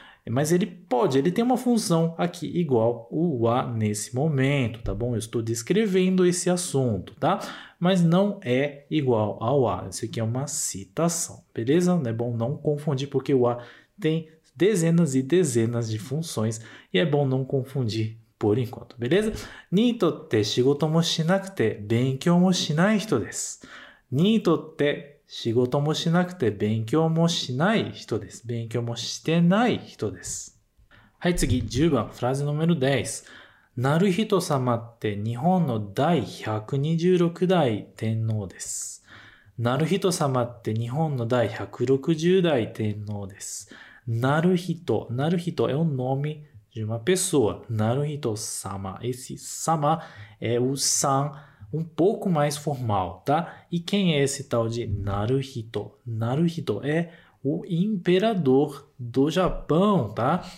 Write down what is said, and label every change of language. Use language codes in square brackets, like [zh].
[pt] Mas ele tem uma função aqui igual o wa nesse momento, tá bom? Eu estou descrevendo esse assunto, tá? Mas não é igual ao wa. Isso aqui é uma citação, beleza? Não é bom não confundir, porque o wa tem dezenas e dezenas de funções e é bom não confundir por enquanto, beleza? [ja] ニートって仕事もしなくて勉強もしない人です。ニートって仕事もしなくて勉強もしない人です。勉強もしてない人です。はい、次10番、フラーズ No. 10。なるひと様って日本の第126代天皇です。なるひと様って日本の第160代天皇です。 [pt] Naruhito. Naruhito é o nome de uma pessoa. Naruhito-sama. Esse sama é o san um pouco mais formal, tá? E quem é esse tal de Naruhito? Naruhito é o imperador do Japão, tá?